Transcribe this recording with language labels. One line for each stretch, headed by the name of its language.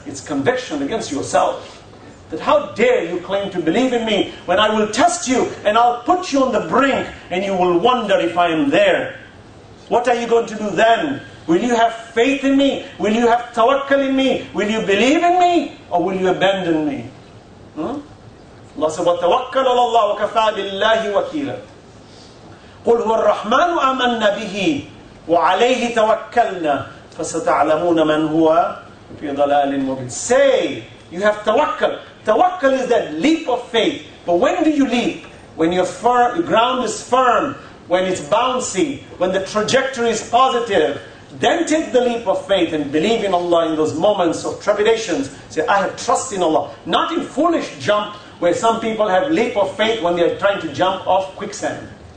English: It's conviction against yourself. That how dare you claim to believe in me when I will test you and I'll put you on the brink and you will wonder if I am there. What are you going to do then? Will you have faith in me? Will you have tawakkal in me? Will you believe in me? Or will you abandon me? Allah says,
Arabic: وَتَوَكَّلَ عَلَى اللَّهِ وَكَفَى بِاللَّهِ وَكِيلًا قُلْ هُوَ الرَّحْمَنُ آمَنَّا بِهِ وَعَلَيْهِ تَوَكَّلْنَا فَسَتَعْلَمُونَ مَنْ هُوَ فِي ضَلَالٍ مُبِينٍ.
English: Say, you have tawakkal. Tawakkal is that leap of faith. But when do you leap? When your ground is firm, when it's bouncy, when the trajectory is positive, then take the leap of faith and believe in Allah in those moments of trepidations. Say, I have trust in Allah. Not in foolish jump where some people have leap of faith when they are trying to jump off quicksand.